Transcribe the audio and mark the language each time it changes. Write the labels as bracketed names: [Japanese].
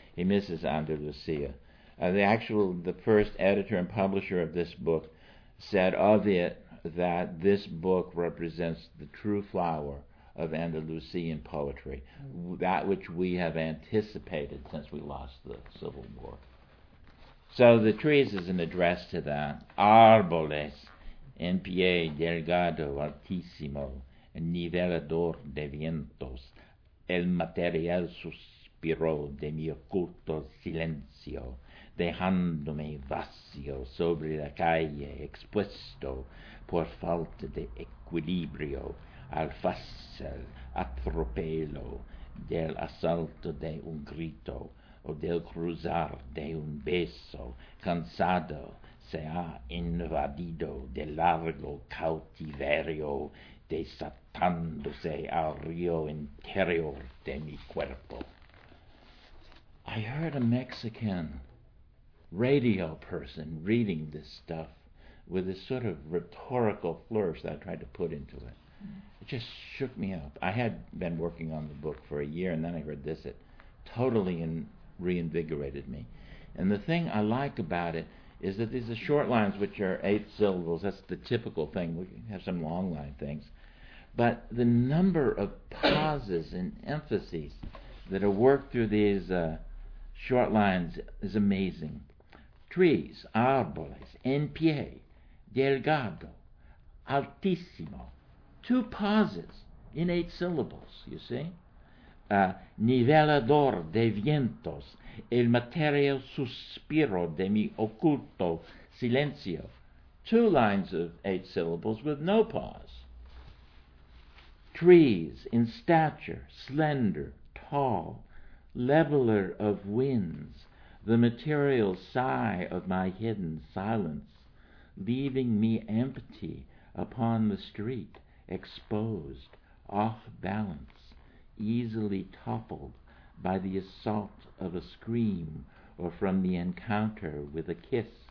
[English] He misses Andalusia. The first editor and publisher of this book said of it that this book represents the true flower of Andalusian poetry, that which we have anticipated since we lost the Civil War. So the trees is an address to that. [Spanish] Árboles en pie delgado altísimo, nivelador de vientos, el material suspiró de mi oculto silencio, dejándome vacío sobre la calle, expuesto por falta de equilibrio al fácil atropello del asalto de un grito o del cruzar de un beso, cansado se ha invadido del largo cautiverio, desatándose al río interior de mi cuerpo. [English] I heard a Mexican radio person reading this stuff with a sort of rhetorical flourish that I tried to put into it. It just shook me up. I had been working on the book for a year, and then I heard this. It totally reinvigorated me. And the thing I like about it is that these are short lines, which are eight syllables. That's the typical thing. We have some long line things. But the number of pauses and emphases that are worked through these short lines is amazing. [Spanish] Trees, árboles, en pie, delgado, altísimo. [English] Two pauses in eight syllables, you see? [Spanish] Nivelador de vientos, el material suspiro de mi oculto silencio. [English] Two lines of eight syllables with no pause. Trees in stature, slender, tall, leveler of winds, the material sigh of my hidden silence, leaving me empty upon the street, exposed, off balance, easily toppled by the assault of a scream or from the encounter with a kiss.